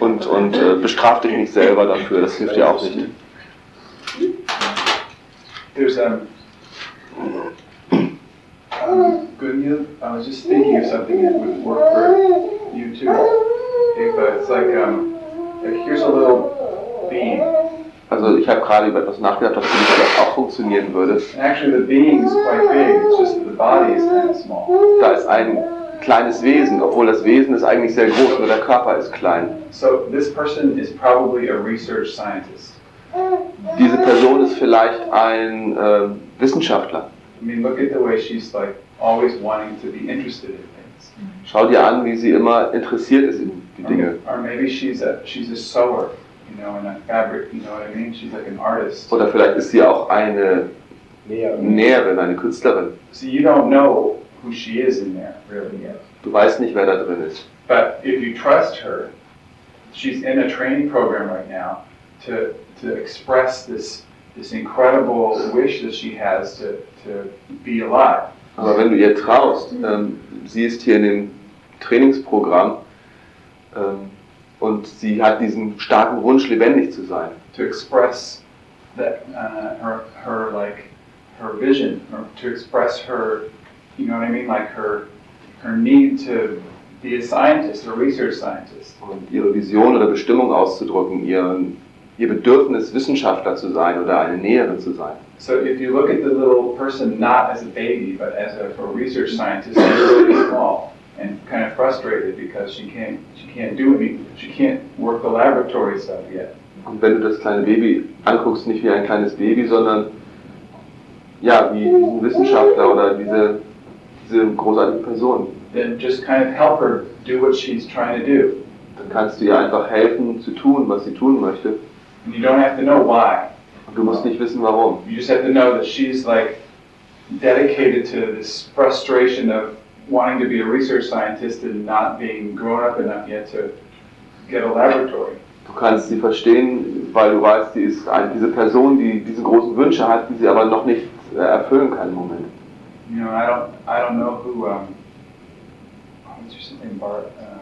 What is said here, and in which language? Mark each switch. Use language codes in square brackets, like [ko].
[de] Und bestraf dich nicht selber dafür, das hilft dir auch nicht. [en] There's Gunya, I was just thinking of something that would work for you too. [de] Also ich habe gerade über etwas nachgedacht, was für mich vielleicht auch funktionieren würde. [en] Actually, the being is quite big. It's just that the body is kind of small. [de] Da ist ein kleines Wesen, obwohl das Wesen ist eigentlich sehr groß, aber der Körper ist klein. [en] So this person is probably a research scientist. [de] Diese Person ist vielleicht ein Wissenschaftler. [en] I mean, look at the way she's like always wanting to be interested in things. [de] Schau dir an, wie sie immer interessiert ist in Dinge. [en] Or maybe she's a sewer, in a fabric, what I mean? She's like an artist. [de] Oder vielleicht ist sie auch eine Näherin, eine Künstlerin. [en] See, you don't know who she is in there, really yet. [de] Du weißt nicht, wer da drin ist. [en] But if you trust her, she's in a training program right now to express this incredible wish that she has to be alive. [de] Aber wenn du ihr traust, sie ist hier in dem Trainingsprogramm und sie hat diesen starken Wunsch, lebendig zu sein. [en] To express that her like her vision, or to express her, you know what I mean, like her need to be a scientist, a research scientist. [de] Und ihre Vision oder Bestimmung auszudrücken, ihr Bedürfnis, Wissenschaftler zu sein oder eine Näherin zu sein. [en] So if you look at the little person not as a baby, but as a research scientist, she's really small and kind of frustrated because she can't do anything, she can't work the laboratory stuff yet. [de] Und wenn du das kleine Baby anguckst, nicht wie ein kleines Baby, sondern ja, wie diesen Wissenschaftler oder diese großartige Person. [en] Then just kind of help her do what she's trying to do. [de] Dann kannst du ihr einfach helfen zu tun, was sie tun möchte. [en] And you don't have to know why. [de] Du musst nicht wissen, warum. [en] You just have to know that she's like dedicated to this frustration of wanting to be a research scientist and not being grown up enough yet to get a laboratory. [de] Du kannst sie verstehen, weil du weißt, sie ist diese Person, die diese großen Wünsche hat, die sie aber noch nicht erfüllen kann im Moment. [en] You know, I don't know who, what's your name, Bart?